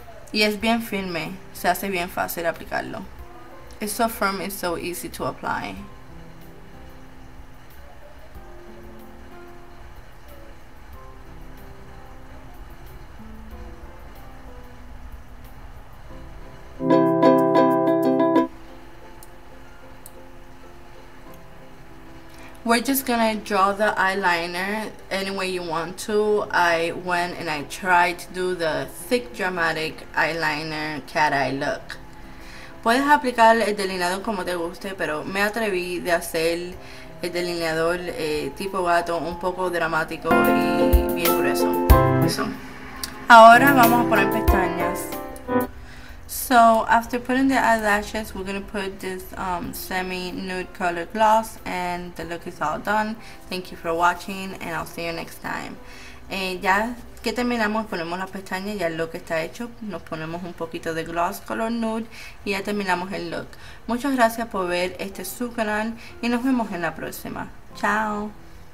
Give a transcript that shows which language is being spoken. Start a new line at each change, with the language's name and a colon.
Spanish: Y es bien firme, se hace bien fácil aplicarlo.
English: It's so firm, it's so easy to apply. We're just gonna draw the eyeliner any way you want to. I went and I tried to do the thick dramatic eyeliner cat eye look.
Spanish: Puedes aplicar el delineador como te guste, pero me atreví de hacer el delineador tipo gato un poco dramático y bien grueso. Eso. Ahora vamos a poner pestañas.
English: So after putting the eyelashes, we're gonna put this semi-nude color gloss, and the look is all done. Thank you for watching, and I'll see you next time.
Spanish: Ya que terminamos, ponemos las pestañas, ya el look está hecho. Nos ponemos un poquito de gloss color nude y ya terminamos el look. Muchas gracias por ver este su canal y nos vemos en la próxima. Chao.